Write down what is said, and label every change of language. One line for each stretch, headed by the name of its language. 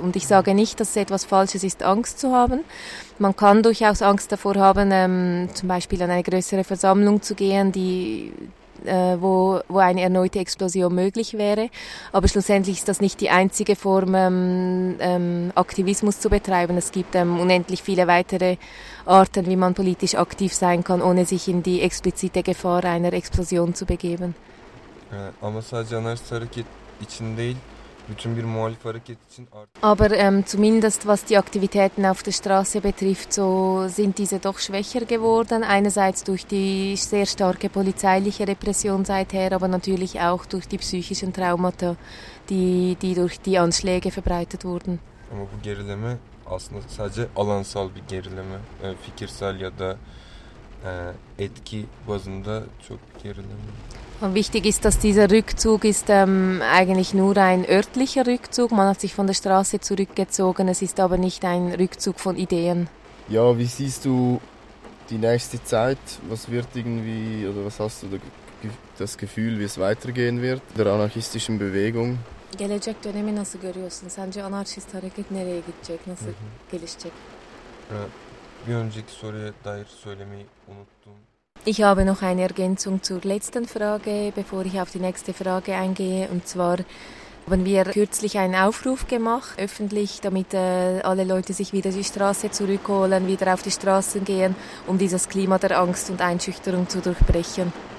German: Und ich sage nicht, dass es etwas Falsches ist, Angst zu haben. Man kann durchaus Angst davor haben, zum Beispiel an eine größere Versammlung zu gehen, wo eine erneute Explosion möglich wäre. Aber schlussendlich ist das nicht die einzige Form, Aktivismus zu betreiben. Es gibt unendlich viele weitere Arten, wie man politisch aktiv sein kann, ohne sich in die explizite Gefahr einer Explosion zu begeben.
Turkish: Ama sadece anarşist hareket için değil, bütün bir muhalif hareket için.
German: Aber zumindest was die Aktivitäten auf der Straße betrifft, so sind diese doch schwächer geworden. Einerseits durch die sehr starke polizeiliche Repression seither, aber natürlich auch durch die psychischen Traumata, die durch die Anschläge verbreitet wurden.
Turkish: Ama bu gerileme aslında sadece alansal bir gerileme, fikirsel ya da etki bazında çok gerileme.
German: Und wichtig ist, dass dieser Rückzug ist eigentlich nur ein örtlicher Rückzug. Man hat sich von der Straße zurückgezogen, es ist aber nicht ein Rückzug von Ideen. Ja, wie siehst du die nächste Zeit? Was wird irgendwie, oder was hast du das Gefühl, wie es weitergehen wird in der anarchistischen Bewegung?
Turkish: Gelecek dönemi nasıl görüyorsun? Sence anarşist hareket nereye gidecek? Nasıl gelişecek? Bir önceki soruya dair söylemeyi unuttum.
German: Ich habe noch eine Ergänzung zur letzten Frage, bevor ich auf die nächste Frage eingehe. Und zwar haben wir kürzlich einen Aufruf gemacht, öffentlich, damit alle Leute sich wieder die Straße zurückholen, wieder auf die Straßen gehen, um dieses Klima der Angst und Einschüchterung zu durchbrechen.